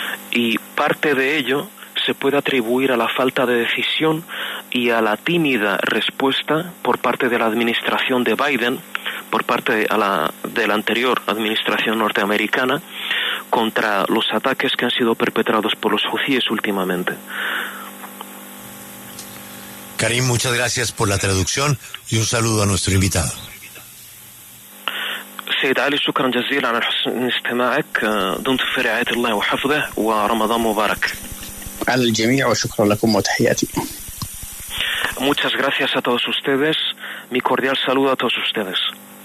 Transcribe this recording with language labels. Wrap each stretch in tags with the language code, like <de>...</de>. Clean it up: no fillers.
<es>Y parte de ello se puede atribuir a la falta de decisión y a la tímida respuesta por parte de la administración de Biden, por parte de la anterior administración norteamericana, contra los ataques que han sido perpetrados por los hucíes últimamente. Karim, muchas gracias por la traducción y un saludo a nuestro invitado.</es> <ar>سيد علي شكرا جزيلا على حسن استماعك دمت في رعاية الله وحفظه ورمضان مبارك على الجميع وشكرا لكم وتحياتي</ar> <es>Muchas gracias a todos ustedes. Mi cordial saludo a todos ustedes.</es>